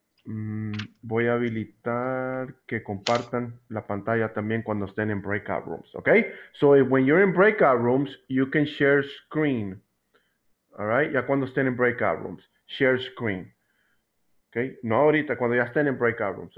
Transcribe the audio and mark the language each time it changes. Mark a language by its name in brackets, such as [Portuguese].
[Spanish] Voy a habilitar que compartan la pantalla también cuando estén en breakout rooms. [English] Okay, so when you're in breakout rooms, you can share screen. [Spanish] All right, ya cuando estén en breakout rooms, share screen. Okay, no ahorita, cuando ya estén en breakout rooms.